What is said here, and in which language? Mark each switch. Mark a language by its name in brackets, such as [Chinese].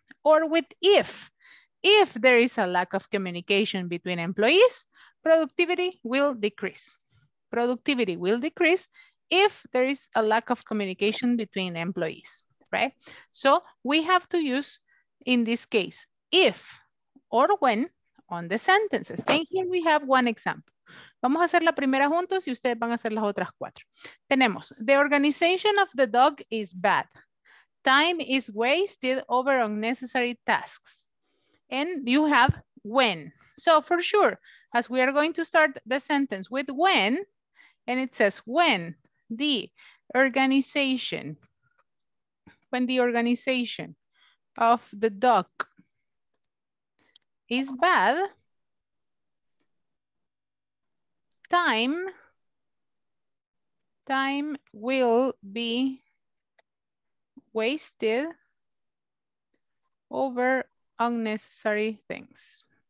[English] Or with if there is a lack of communication between employees, productivity will decrease. Productivity will decrease if there is a lack of communication between employees, right? So we have to use in this case, if or when on the sentences. And here we have one example. [Spanish] Vamos a hacer la primera juntos y ustedes van a hacer las otras cuatro. Tenemos, [English] the organization of the dog is bad. Time is wasted over unnecessary tasks. And you have when. So for sure, as we are going to start the sentence with when, and it says when the organization, when the organization of the dog is bad, time will be wasted over unnecessary things.